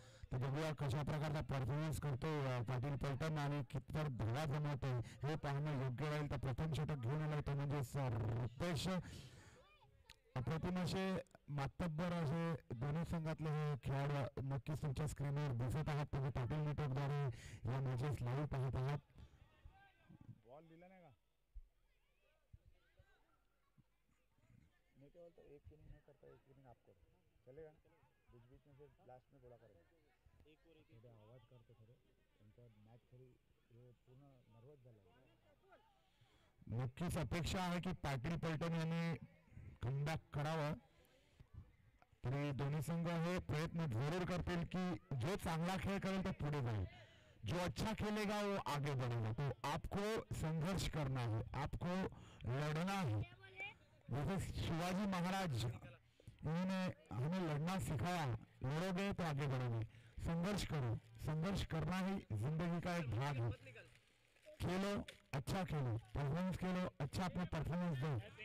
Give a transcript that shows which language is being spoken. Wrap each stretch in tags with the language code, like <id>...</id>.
<mr>तर बघूया कशा प्रकारचा परफॉर्मन्स करतो पाटील पलटण आणि कितपर धडा जमवतो हे पाहणं योग्य राहील. तर प्रथम षटक घेऊन आलाय तो म्हणजे रुपेश. अप्रतिम असे मातब्बर असे दोन्ही संघातले हे खेळाडू नक्कीच तुमच्या स्क्रीनवर दिसत आहेत. तुम्ही पाटील नेटवर्कद्वारे या मॅचेस लाईव्ह पाहत आहात. बॉल दिला नाही का नेटवर्क? तर एक इनिंग नाही करता,</mr> <hi>एक इनिंग आप करो चलेगा ना? बीच बीच में फिर लास्ट में गोळा करेगा. एक ओवर एक</hi> <mr>मध्ये आवाज करतो खरं, त्यांचा मॅच खरी पूर्ण नर्वस झाला. नक्कीच अपेक्षा आहे की पाटील पलटण यांनी कमबॅक करावा. तरी दोन्ही संघ हे प्रयत्न जरूर करतील की जो चांगला खेळ करेल तो पुढे जाईल,</mr> <hi>जो अच्छा खेलेगा वो आगे बढ़ेगा. तो आपको संघर्ष करना है, आपको लड़ना है. जैसे शिवाजी महाराज इन्होंने हमें लड़ना सिखाया, लड़ोगे तो आगे बढ़ोगे. संघर्ष करो, संघर्ष करना ही जिंदगी का एक भाग है. खेलो, अच्छा खेलो, परफॉर्मेंस खेलो, अच्छा अपना परफॉर्मेंस दो.</hi>